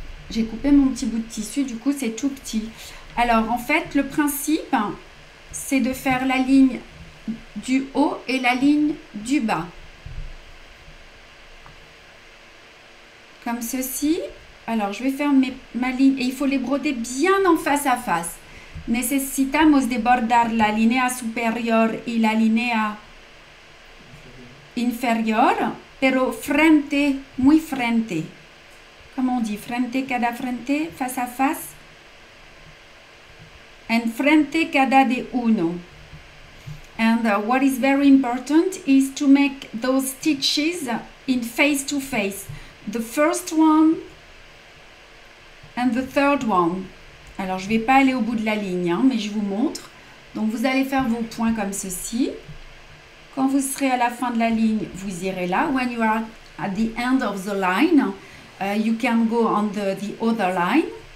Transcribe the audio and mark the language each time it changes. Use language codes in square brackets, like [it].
[fr] J'ai coupé mon petit bout de tissu, du coup, c'est tout petit. Alors, en fait, le principe, c'est de faire la ligne du haut et la ligne du bas. Comme ceci. Alors, je vais faire ma ligne. Et il faut les broder bien en face à face. [es] Necesitamos de bordar la linea superior y la linea inferior, pero frente, muy frente. [fr] Comment on dit? [es] Frente cada frente, [fr] face à face. [es] And frente cada de uno. [en] And what is very important is to make those stitches in face to face. The first one and the third one. [fr] Alors, je ne vais pas aller au bout de la ligne, hein, mais je vous montre. Donc, vous allez faire vos points comme ceci. Quand vous serez à la fin de la ligne, vous irez là. [en] When you are at the end of the line, you can go on the other line.